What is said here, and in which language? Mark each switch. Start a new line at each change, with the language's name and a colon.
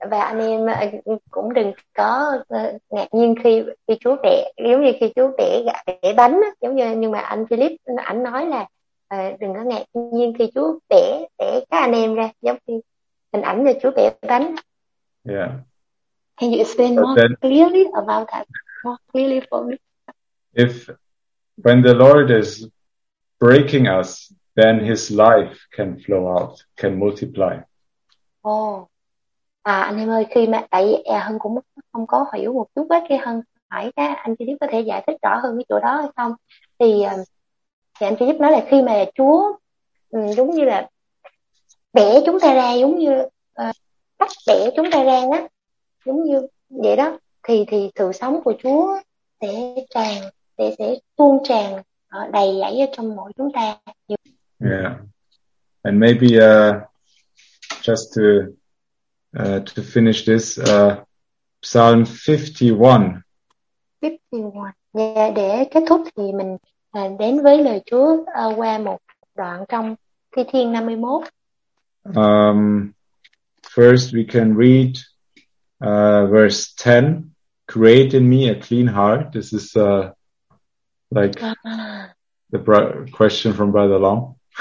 Vietnamese: Và anh em cũng đừng có ngạc nhiên khi Chúa bẻ, giống như khi Chúa bẻ bánh, giống như, nhưng mà anh Philip ảnh nói là đừng có ngạc nhiên khi Chúa bẻ các anh em ra, giống như hình ảnh là Chúa bẻ bánh.
English: Yeah. Can you explain more then, clearly about that? More clearly for me. When the Lord is breaking us, then his life can flow out, can multiply. Oh.
Vietnamese: Anh em ơi, khi mà tại Hân cũng không có hiểu một chút hết, cái Hân hỏi ra anh Philip có thể giải thích rõ hơn cái chỗ đó hay không? Thì anh Philip nói là khi mà Chúa giống như là bẻ chúng ta ra, giống như cắt bẻ chúng ta ra đó, giống như vậy đó, thì sự sống của Chúa sẽ tuôn tràn đầy dẫy ở trong mỗi chúng ta.
English: Yeah. And maybe just to finish this Psalm 51.
Vietnamese: Yeah, để kết thúc thì mình đến với lời Chúa qua một đoạn trong Thi Thiên 51.
English: First we can read verse 10. Create in me a clean heart. This is the question from Brother Long.